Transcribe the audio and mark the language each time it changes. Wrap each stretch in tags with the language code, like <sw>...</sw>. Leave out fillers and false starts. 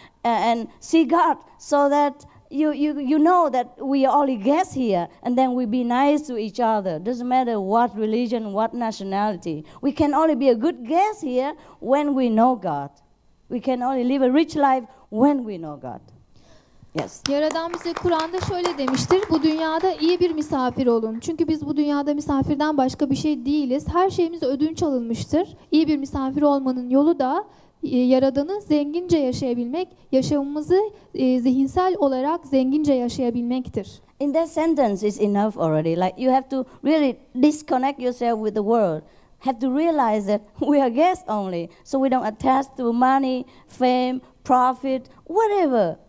<en>And see God so that you know that we are only guests here, and then we be nice to each other. Doesn't matter what religion, what nationality. We can only be a good guest here when we know God. We can only live a rich life when we know God. Yes.</en> <tr>Yaradan bize Kur'an'da şöyle demiştir. Bu dünyada iyi bir misafir olun. Çünkü biz bu dünyada misafirden başka bir şey değiliz. Her şeyimiz ödünç alınmıştır. İyi bir misafir olmanın yolu da Yaradan'ı zengince yaşayabilmek, yaşamımızı zihinsel olarak zengince yaşayabilmektir.</tr> <en>In that sentence is enough already. Like you have to really disconnect yourself with the world. Have to realize that we are guests only. So we don't attach to money, fame, profit, whatever.</en>